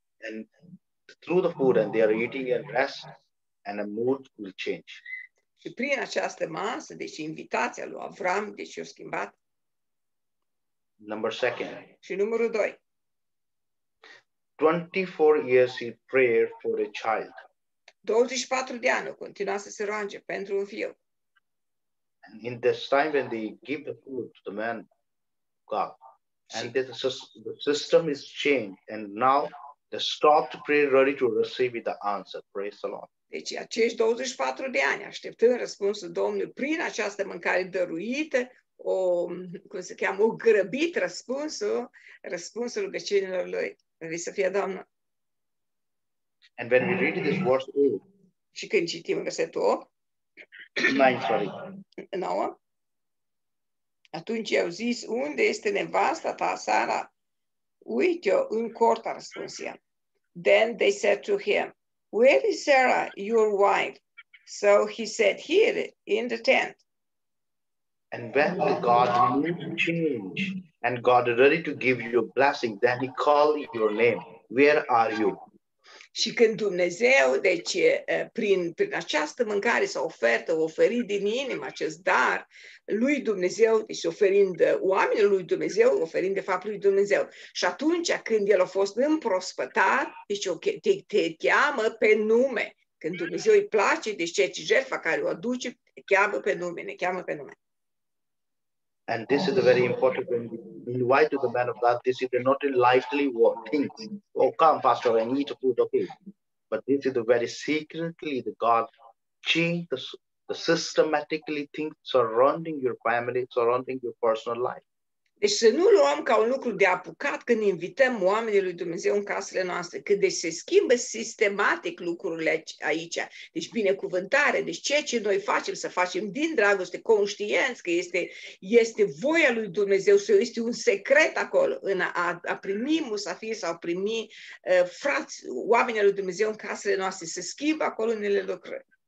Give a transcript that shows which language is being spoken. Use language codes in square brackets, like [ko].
[en] And through the food and they are eating and rest and the mood will change. [ro] Și prin această masă, deci invitația lui Avram, deci i-a schimbat. [en] Number second. [ro] Și numărul doi. [en] 24 years in prayer for a child. [ro] 24 de ani continua să se roage pentru un fiu. [en] And in this time when they give the food to the man God and the system is changed and now the stopped prayer ready to receive the answer. Praise the Lord. [ro] Deci acești 24 de ani așteptând răspunsul Domnului prin această mâncare dăruită, o, cum se cheamă, o grăbit răspunsul rugăciunilor lui. Să fie Doamnă. [en] And when we read this verse 8. [ro] Și când citim versetul 8. [en] 9, sorry. [ro] 9. Atunci i-au zis, unde este nevasta ta, Sara? Uite-o, în cort a răspuns ea. [en] Then they said to him, where is Sarah, your wife? So he said, here, in the tent. And when the God moved to change, and God ready to give you a blessing, then he called your name. Where are you? [ro] Și când Dumnezeu, deci prin această mâncare sau ofertă, oferit din inimă acest dar lui Dumnezeu, deci oferind oamenilor lui Dumnezeu, oferind de fapt lui Dumnezeu. Și atunci când el a fost împrospătat, deci te cheamă pe nume. Când Dumnezeu îi place, deci ce jertfa care o aduce, te cheamă pe nume, ne cheamă pe nume. [en] And this is a very important thing. Invite to the man of God. This is not a lightly word thing. Oh, come, pastor, I need food, okay. But this is a very secretly the God change the systematically things surrounding your family, surrounding your personal life. [ro] Deci să nu luăm ca un lucru de apucat când invităm oamenii lui Dumnezeu în casele noastre, că deci se schimbă sistematic lucrurile aici. Deci binecuvântare, deci ceea ce noi facem, să facem din dragoste, conștienți că este voia lui Dumnezeu, sau este un secret acolo în a primi musafiri sau a primi frați, oamenii lui Dumnezeu în casele noastre, se schimbă acolo unele lucruri.